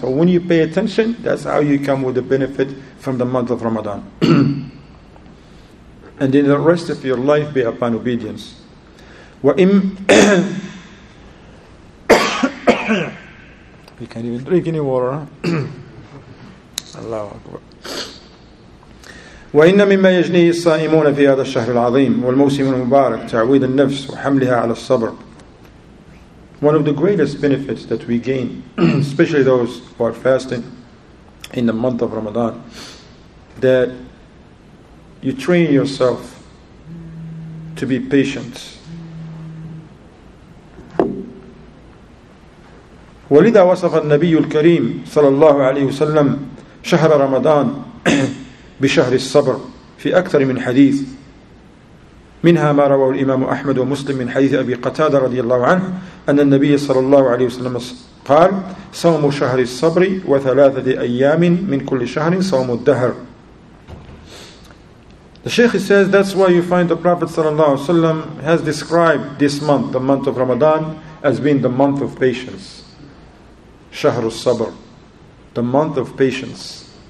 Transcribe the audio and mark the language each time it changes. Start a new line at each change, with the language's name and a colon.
English: So when you pay attention, that's how you come with the benefit from the month of Ramadan. And in the rest of your life, be upon obedience. You can't even drink any water.
Arabic: Allahu Akbar. وإن مما يجنيه الصائمون في هذا الشهر العظيم والموسم المبارك تعويد النفس وحملها على الصبر.
English: One of the greatest benefits that we gain, especially those who are fasting in the month of Ramadan, that you train yourself to be patient.
Arabic: ولذا وصف النبي الكريم صلى الله عليه وسلم شهر رمضان بشهر الصبر في أكثر من حديث منها ما رواه الإمام أحمد ومسلم من حديث أبي قتادة رضي الله عنه أن النبي صلى الله عليه وسلم قال صوم شهر الصبر وثلاثة أيام من كل شهر صوم الدهر.
English: The Shaykh says that's why you find the Prophet sallallahu alaihi wasallam has described this month, the month of Ramadan, as being the month of patience.
Arabic: شهر الصبر,
English: the month of patience.